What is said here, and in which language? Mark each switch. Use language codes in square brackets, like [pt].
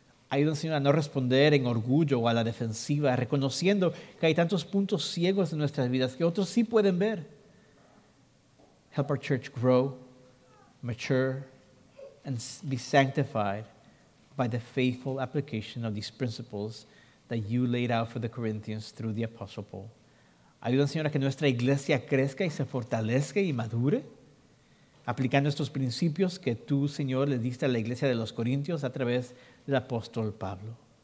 [es] Ayúdanos, Señor, a no responder en orgullo o a la defensiva, reconociendo que hay tantos puntos ciegos en nuestras vidas que otros sí pueden ver. [en] Help our church grow, mature, and be sanctified by the faithful application of these principles that you laid out for the Corinthians through the Apostle Paul. [es] Ayúdanos, Señor, a que nuestra iglesia crezca y se fortalezca y madure, aplicando estos principios que tú, Señor, le diste a la iglesia de los Corintios a través del apóstol Pablo.